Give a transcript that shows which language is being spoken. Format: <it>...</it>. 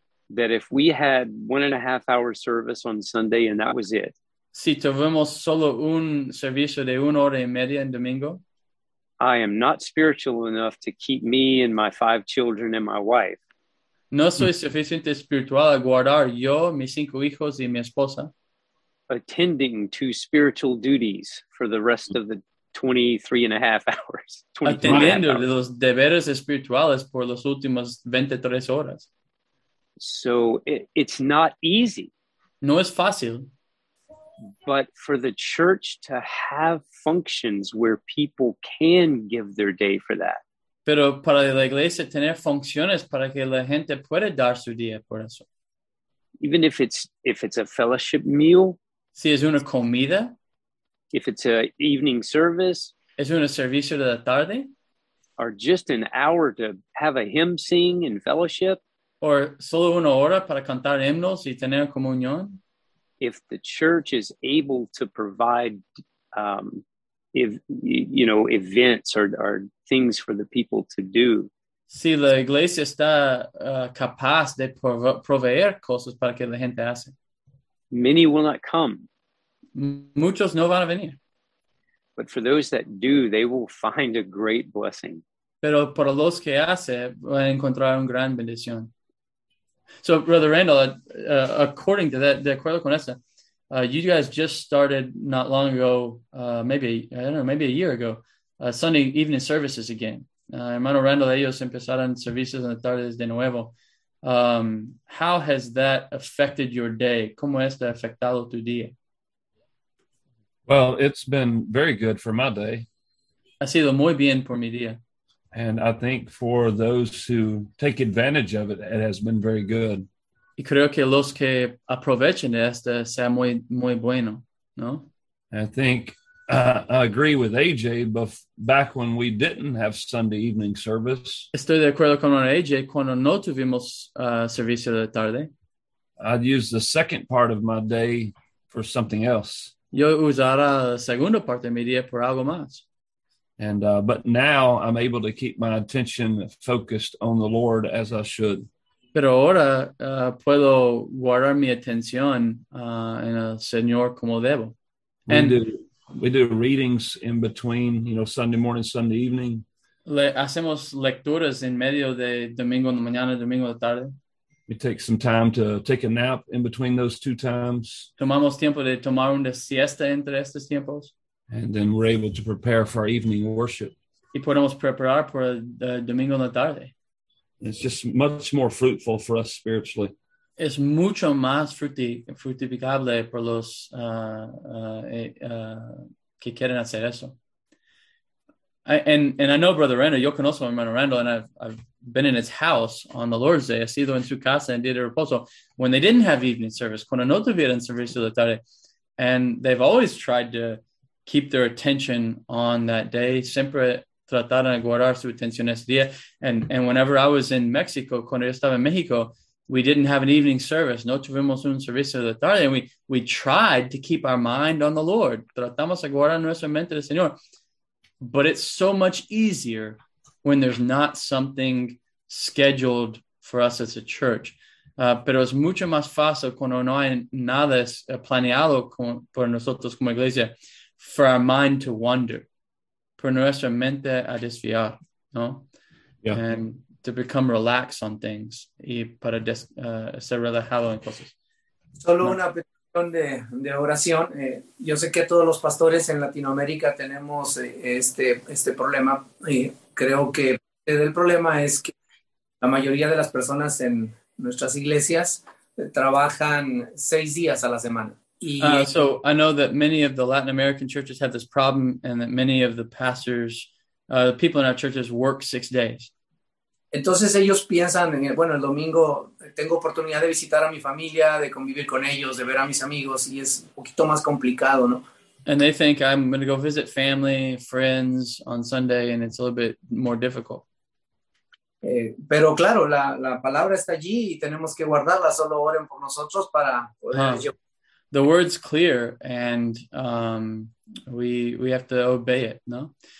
<en>That if we had 1.5 hour service on Sunday and that was it.</en> <es>Si tuvimos solo un servicio de 1 hora y media en domingo.</es> <en>I am not spiritual enough to keep me and my 5 children and my wife.</en> <es>No soy suficiente espiritual a guardar yo, mis 5 hijos y mi esposa.</es> <en>Attending to spiritual duties for the rest of the 23.5 hours.</en> <es>Atendiendo los deberes espirituales por las últimas 23 horas.</es> <en>So it's not easy.</en> <es>No es fácil.</es> <en>But for the church to have functions where people can give their day for that.</en> <es>Pero para la iglesia tener funciones para que la gente pueda dar su día por eso.</es> <en>Even if it's a fellowship meal.</en> <es>Si es una comida.</es> <en>If it's an evening service.</en> <es>Es un servicio de la tarde.</es> <en>Or just an hour to have a hymn sing in fellowship.</en> <es>Or solo una hora para cantar himnos y tener comunión.</es> <en>If the church is able to provide, events or things for the people to do.</en> <es>Si la iglesia está capaz de proveer cosas para que la gente hace.</es> <en>Many will not come.</en> <es>Muchos no van a venir.</es> <en>But for those that do, they will find a great blessing.</en> <es>Pero para los que hace, van a encontrar una gran bendición.</es> <en>So, Brother Randall, according to that,</en> <es>de acuerdo con esa,</es> <en>you guys just started not long ago, maybe a year ago, Sunday evening services again.</en> <es>Hermano Randall, ellos empezaron servicios en las tardes de nuevo.</es> <en>How has that affected your day?</en> <es>¿Cómo esto ha afectado tu día?</es> <en>Well, it's been very good for my day.</en> <es>Ha sido muy bien por mi día.</es> <en>And I think for those who take advantage of it, it has been very good.</en> <es>Y creo que los que aprovechan esto sea muy, muy bueno, ¿no?</es> <en>I think I agree with AJ, but back when we didn't have Sunday evening service.</en> <es>Estoy de acuerdo con AJ cuando no tuvimos servicio de tarde.</es> <en>I'd use the second part of my day for something else.</en> <es>Yo usara la segunda parte de mi día por algo más.</es> <en>And but now I'm able to keep my attention focused on the Lord as I should.</en> <es>Pero ahora puedo guardar mi atención en el Señor como debo.</es> <en>We do readings in between, Sunday morning, Sunday evening.</en> <es>Hacemos lecturas en medio de domingo en la mañana, domingo en la tarde.</es> <en>We take some time to take a nap in between those two times.</en> <es>Tomamos tiempo de tomar una siesta entre estos tiempos.</es> <en>And then we're able to prepare for our evening worship.</en> <es>Y podemos preparar por el domingo en la tarde.</es> <en>It's just much more fruitful for us spiritually.</en> <es>Es mucho más fructificable por los que quieren hacer eso.</es> <en>And I know Brother Randall,</en> <es>yo conozco a Hermano Randall,</es> <en>and I've been in his house on the Lord's Day.</en> <es>He sido en su casa en día de reposo</es> <en>when they didn't have evening service.</en> <es>Cuando no tuvieron servicio de tarde.</es> <en>And they've always tried to keep their attention on that day.</en> <es>Siempre trataron de guardar su atención ese día.</es> <en>And whenever I was in Mexico,</en> <es>cuando yo estaba en México,</es> <en>we didn't have an evening service.</en> <es>No tuvimos un servicio de tarde.</es> <en>And we tried to keep our mind on the Lord.</en> <es>Tratamos de guardar nuestra mente del Señor.</es> <en>But it's so much easier when there's not something scheduled for us as a church.</en> <es>pero es mucho más fácil cuando no hay nada planeado por nosotros como iglesia,</es> <en>for our mind to wander,</en> <es>por nuestra mente a desviar, ¿no?</es> <en>Yeah. And to become relaxed on things</en> <es>y para ser relajado en cosas. Solo no. Una petición de oración. Yo sé que todos los pastores en Latinoamérica tenemos este problema, y creo que el problema es que la mayoría de las personas en nuestras iglesias trabajan 6 días a la semana.</es> <en>So I know that many of the Latin American churches have this problem, and that many of the pastors, the people in our churches work 6 days.</en> <es>Entonces ellos piensan, bueno, el domingo tengo oportunidad de visitar a mi familia, de convivir con ellos, de ver a mis amigos, y es un poquito más complicado, ¿no?</es> <en>And they think I'm going to go visit family, friends on Sunday, and it's a little bit more difficult.</en> <es>Pero claro, la palabra está allí y tenemos que guardarla, solo oren por nosotros para</es> <en>The word's clear, and we have to obey it, ¿no?</en>